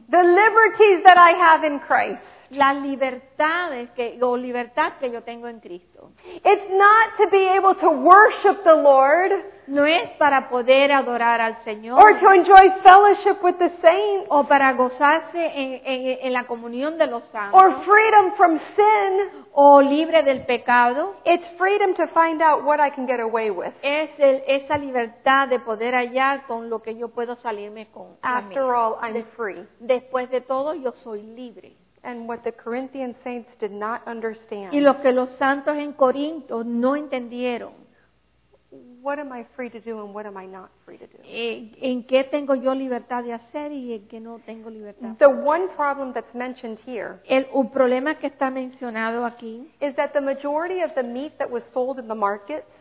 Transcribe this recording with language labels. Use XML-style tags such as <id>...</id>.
<en>The liberties that I have in Christ.</en> <es>Las libertades que o libertad que yo tengo en Cristo.</es> <en>It's not to be able to worship the Lord.</en> <es>No es para poder adorar al Señor.</es> <en>Or to enjoy fellowship with the saints.</en> <es>O para gozarse en la comunión de los santos.</es> <en>Or freedom from sin.</en> <es>O libre del pecado.</es> <en>It's freedom to find out what I can get away with.</en> <es>Es esa libertad de poder hallar con lo que yo puedo salirme con.</es> <en>After all, I'm free.</en> <es>Después de todo, yo soy libre.</es> <en>And what the Corinthian saints did not understand.</en> <es>Y lo que los santos en Corinto no entendieron.</es> <en>What am I free to do and what am I not free to do?</en> <es>¿En qué tengo yo libertad de hacer y en qué no tengo libertad?</es> <en>The one problem that's mentioned here.</en> <es>El problema que está mencionado aquí.</es> <en>Is that the majority of the meat that was sold in the markets.</en>